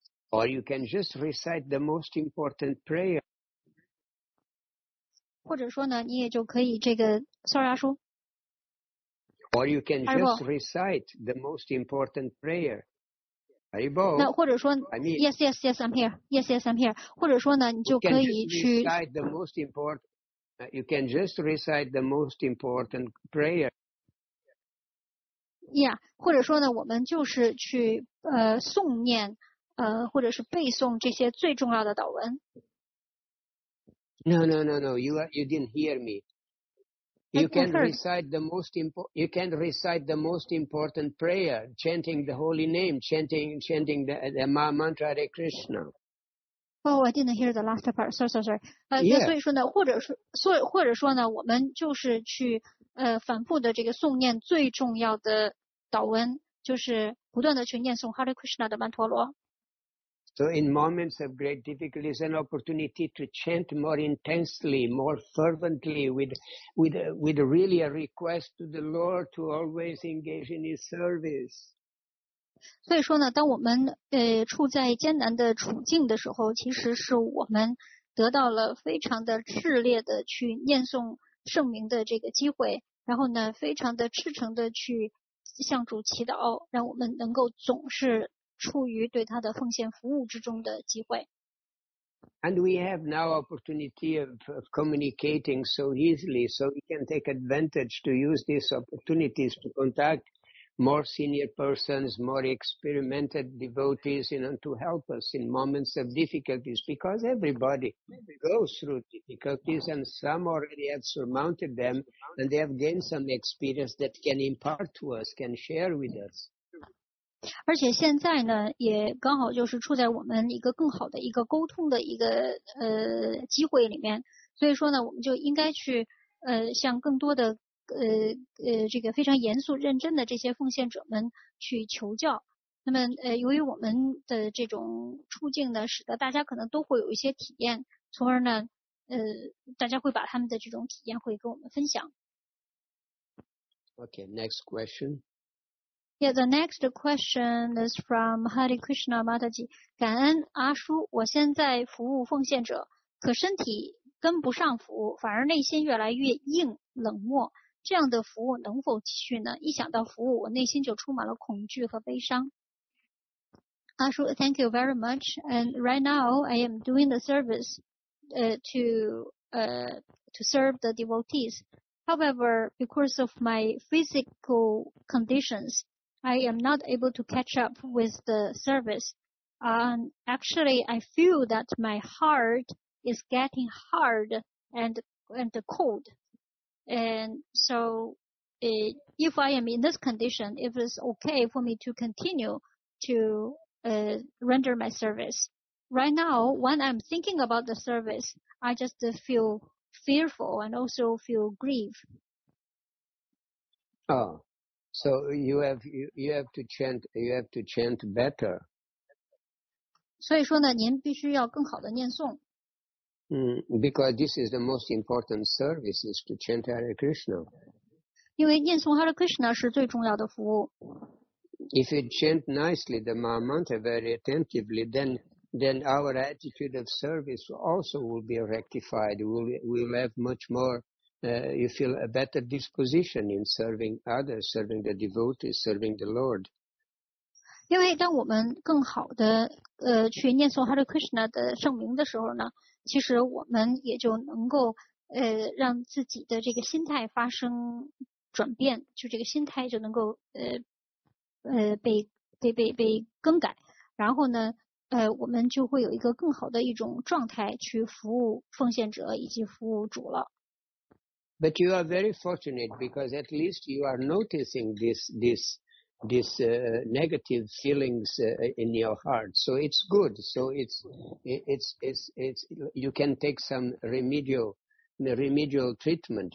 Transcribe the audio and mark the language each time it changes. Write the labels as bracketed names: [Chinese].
[English] Or you can just recite the most important prayer. [Chinese] 或者说呢，你也就可以这个扫拉书。 [English] Or you can just recite the most important prayer. Haribo. [Chinese] 那或者说 [English] ，Yes, yes, yes, I'm here. Yes, yes, I'm here. [Chinese] 或者说呢，你就可以去。 [English] You can just recite the most important. You can just recite the most important prayer. Yeah. [Chinese] 或者说呢，我们就是去诵念或者是背诵这些最重要的祷文。 [English] No, no, no, no. You didn't hear me. You can recite the most important prayer, chanting the holy name, chanting the mantra Hare Krishna. Oh, I didn't hear the last part. Sorry. [Chinese] 所以说呢，或者说呢，我们就是去反复的这个诵念最重要的祷文，就是不断的去念诵 Hare Krishna 的曼陀罗。 [English] So in moments of great difficulty, it's an opportunity to chant more intensely, more fervently, with really a request to the Lord to always engage in His service. [Chinese] 所以说呢，当我们处在艰难的处境的时候，其实是我们得到了非常的炽烈的去念诵圣名的这个机会，然后呢，非常的赤诚的去向主祈祷，让我们能够总是。处于对他的奉献服务之中的机会。 [English] And we have now opportunity of communicating so easily, so we can take advantage to use these opportunities to contact more senior persons, more experimented devotees, you know, to help us in moments of difficulties, because everybody goes through difficulties and some already have surmounted them and they have gained some experience that can impart to us, can share with us. [Chinese] 而且现在呢，也刚好就是处在我们一个更好的一个沟通的一个机会里面，所以说呢，我们就应该去向更多的这个非常严肃认真的这些奉献者们去求教。那么由于我们的这种处境呢，使得大家可能都会有一些体验，从而呢大家会把他们的这种体验会跟我们分享。 [English] Okay, next question. Yeah, the next question is from Hare Krishna Mataji. [Chinese] 感恩阿叔，我现在服务奉献者，可身体跟不上服务，反而内心越来越硬冷漠。这样的服务能否继续呢？一想到服务，我内心就充满了恐惧和悲伤。 [English] 阿叔 ，Thank you very much. And right now, I am doing the service, to serve the devotees. However, because of my physical conditions. I am not able to catch up with the service. Actually, I feel that my heart is getting hard and cold. And so, if I am in this condition, if it's okay for me to continue to render my service. Right now, when I'm thinking about the service, I just feel fearful and also feel grief. So you have to chant better. [Chinese] 所以说呢，您必须要更好的念诵。 [English] Because this is the most important service is to chant Hare Krishna. [Chinese] 因为念诵 Hare Krishna 是最重要的服务。 [English] If you chant nicely the mantra very attentively, then our attitude of service also will be rectified. We'll have much more. You feel a better disposition in serving others, serving the devotees, serving the Lord. [Chinese] 因为当我们更好的去念诵 Hare Krishna 的圣名的时候呢，其实我们也就能够让自己的这个心态发生转变，就这个心态就能够被更改，然后呢我们就会有一个更好的一种状态去服务奉献者以及服务主了。 [English] But you are very fortunate because at least you are noticing this negative feelings in your heart. So it's good. So it's you can take some remedial treatment.